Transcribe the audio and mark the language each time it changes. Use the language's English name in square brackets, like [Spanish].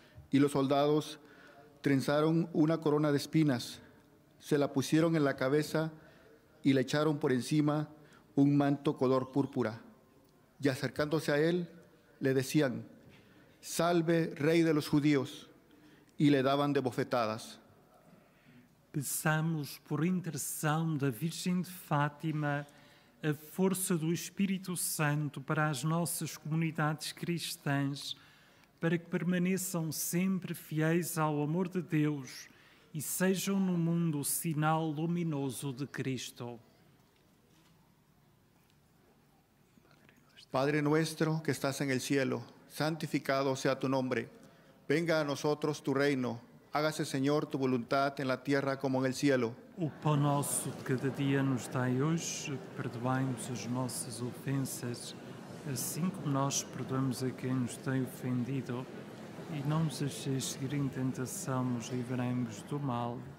[Spanish] Y los soldados trenzaron una corona de espinas, se la pusieron en la cabeza y le echaron por encima un manto color púrpura. Y acercándose a él, le decían: Salve, Rey de los Judíos. Y le daban de bofetadas. [Portuguese] Peçamos por intercessão da Virgem de Fátima a força do Espírito Santo para as nossas comunidades cristãs, para que permaneçam sempre fiéis ao amor de Deus e sejam no mundo o sinal luminoso de Cristo. [Spanish] Padre nuestro que estás en el cielo, santificado sea tu nombre, venga a nosotros tu reino. Hágase, [Portuguese] Senhor, tu vontade na terra como no céu. O pão nosso de cada dia nos dai hoje. Perdoai-nos as nossas ofensas, assim como nós perdoamos a quem nos tem ofendido. E não nos deixeis seguir em tentação, nos livrai-nos do mal.